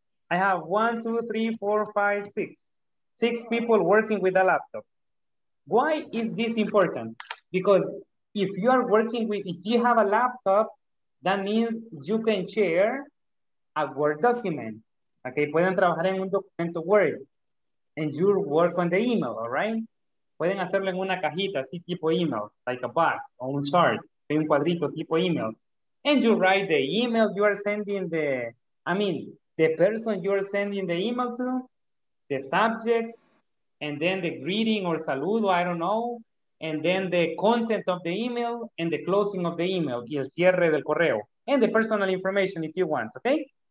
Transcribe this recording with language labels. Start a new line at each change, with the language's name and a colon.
English: I have 1, 2, 3, 4, 5, 6. 6 people working with a laptop. Why is this important? Because if you are working with, if you have a laptop, that means you can share a Word document, okay?
Spanish: Pueden trabajar en un documento Word
English: and you work on the email, all right?
Spanish: Pueden hacerlo en una cajita, así tipo email,
English: like a box or
Spanish: un chart, un cuadrito tipo email.
English: And you write the email you are sending the person you are sending the email to, the subject, and then the greeting or saludo, I don't know, and then the content of the email and the closing of the email,
Spanish: y el cierre del correo,
English: and the personal information if you want, okay?